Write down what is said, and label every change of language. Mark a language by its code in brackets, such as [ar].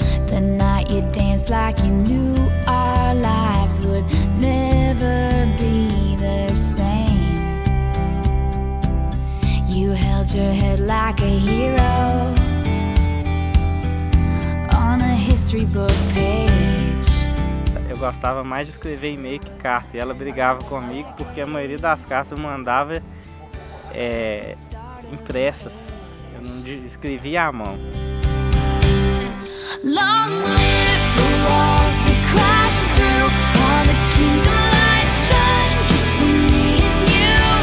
[en] The night you danced like you knew our lives would never be the same. You held your head like a hero on a history book page. [pt] Eu gostava mais de escrever e-mail que carta, e ela brigava comigo porque a maioria das cartas eu mandava impressas. Eu não escrevia à mão. [en] Long live the walls we crash through, all the kingdom lights shine just for me and you.